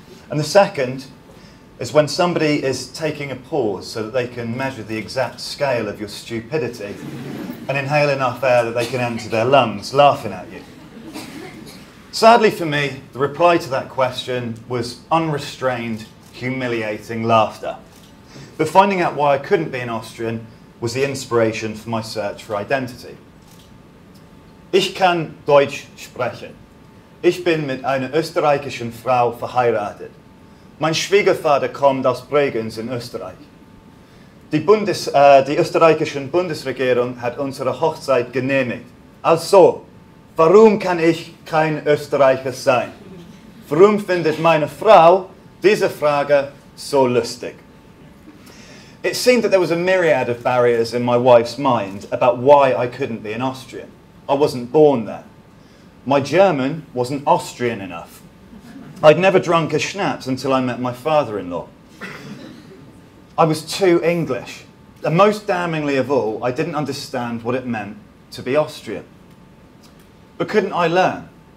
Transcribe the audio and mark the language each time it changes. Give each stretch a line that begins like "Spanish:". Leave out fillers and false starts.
English: And the second is when somebody is taking a pause so that they can measure the exact scale of your stupidity and inhale enough air that they can enter their lungs, laughing at you. Sadly for me, the reply to that question was unrestrained, humiliating laughter. But finding out why I couldn't be an Austrian was the inspiration for my search for identity.
German: Ich kann Deutsch sprechen. Ich bin mit einer österreichischen Frau verheiratet. Mein Schwiegervater kommt aus Bregenz in Österreich. Die österreichische Bundesregierung hat unsere Hochzeit genehmigt. Also, warum kann ich kein Österreicher sein? Warum findet meine Frau diese Frage so lustig?
English: It seemed that there was a myriad of barriers in my wife's mind about why I couldn't be an Austrian. I wasn't born there. My German wasn't Austrian enough. I'd never drunk a schnapps until I met my father-in-law. I was too English. And most damningly of all, I didn't understand what it meant to be Austrian. But couldn't I learn?